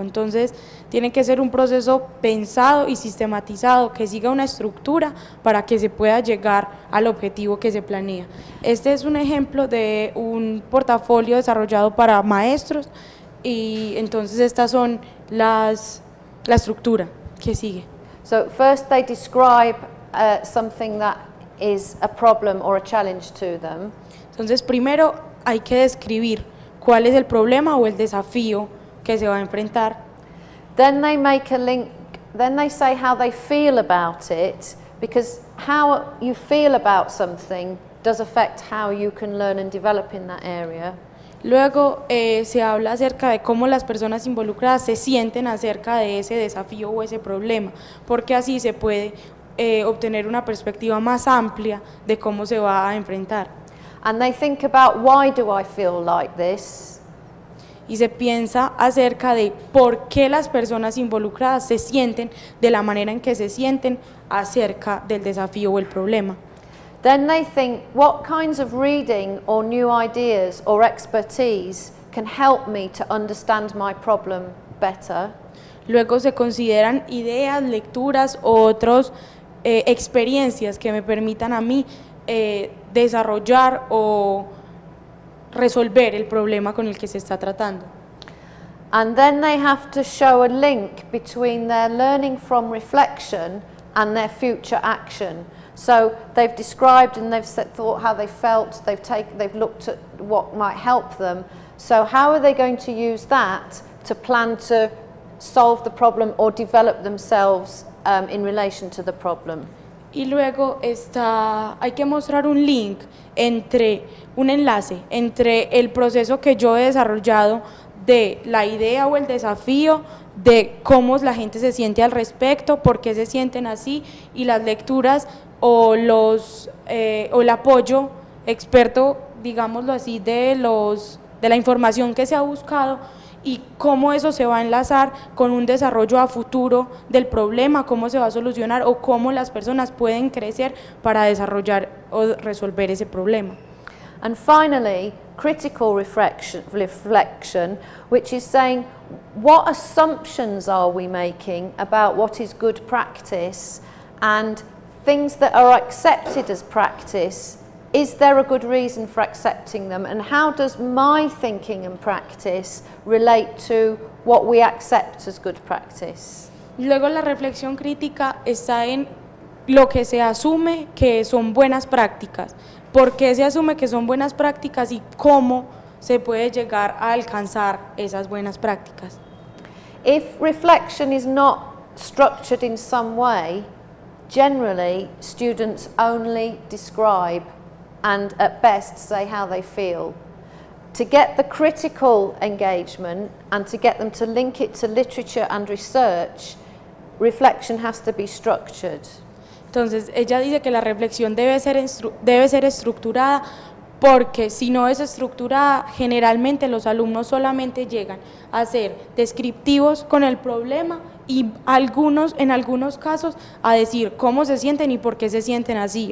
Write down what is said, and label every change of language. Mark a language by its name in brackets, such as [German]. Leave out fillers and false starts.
[Spanish] Entonces, tiene que ser un proceso pensado y sistematizado que siga una estructura para que se pueda llegar al objetivo que se planea. Este es un ejemplo de un portafolio desarrollado para maestros y entonces estas son la estructura que sigue. [English] So, first they describe something that is a problem or a challenge to them. [Spanish] Entonces, primero hay que describir cuál es el problema o el desafío que se va a enfrentar. [English] Then they make a link, then they say how they feel about it, because how you feel about something does affect how you can learn and develop in that area. [Spanish] Luego se habla acerca de cómo las personas involucradas se sienten acerca de ese desafío o ese problema, porque así se puede obtener una perspectiva más amplia de cómo se va a enfrentar. [English] And they think about, why do I feel like this? [Spanish] Y se piensa acerca de por qué las personas involucradas se sienten de la manera en que se sienten acerca del desafío o el problema. [English] then they think, what kinds of reading or new ideas or expertise can help me to understand my problem better? [Spanish] Luego se consideran ideas, lecturas o otros experiencias que me permitan a mí desarrollar o resolver el problema con el que se está tratando. [English] And then they have to show a link between their learning from reflection and their future action. So they've described and they've thought how they felt, they've looked at what might help them. So how are they going to use that to plan to solve the problem or develop themselves in relation to the problem? [Spanish] Y luego hay que mostrar un link entre, un enlace entre el proceso que yo he desarrollado de la idea o el desafío, de cómo la gente se siente al respecto, por qué se sienten así, y las lecturas o los o el apoyo experto, digámoslo así, de la información que se ha buscado y cómo eso se va a enlazar con un desarrollo a futuro del problema, cómo se va a solucionar o cómo las personas pueden crecer para desarrollar o resolver ese problema. [English] And finally, critical reflection, which is saying, what assumptions are we making about what is good practice and things that are accepted as practice, is there a good reason for accepting them? And how does my thinking and practice relate to what we accept as good practice? [Spanish] Luego la reflexión crítica está en lo que se asume que son buenas prácticas. ¿Por qué se asume que son buenas prácticas y cómo se puede llegar a alcanzar esas buenas prácticas? [English] If reflection is not structured in some way, generally students only describe and at best say how they feel. To get the critical engagement and to get them to link it to literature and research, reflection has to be structured. [Spanish] Entonces, ella dice que la reflexión debe ser estructurada, porque si no es estructurada, generalmente los alumnos solamente llegan a ser descriptivos con el problema y en algunos casos a decir cómo se sienten y por qué se sienten así.